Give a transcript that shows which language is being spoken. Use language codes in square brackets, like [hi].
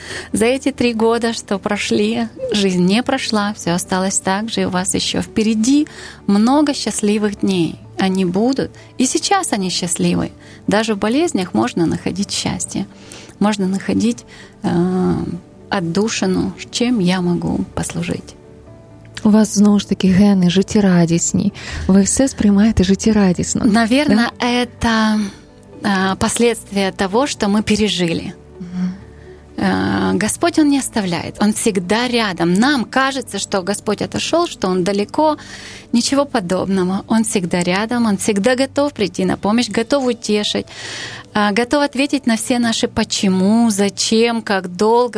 [ru] За эти 3 года, что прошли, жизнь не прошла, все осталось так же, и у вас еще впереди много счастливых дней. Они будут, и сейчас они счастливы. Даже в болезнях можно находить счастье, можно находить отдушину, [uk] чим я можу послужити. У вас, знову ж таки, гени життєрадісні. Ви все сприймаєте життєрадісно. [ru] Наверно, да? [uk] Це последствия того, що ми пережили. [ru] Господь, Он не оставляет, Он всегда рядом. Нам кажется, что Господь отошел, что Он далеко. Ничего подобного. Он всегда рядом, Он всегда готов прийти на помощь, готов утешить, готов ответить на все наши «почему», «зачем», «как долго».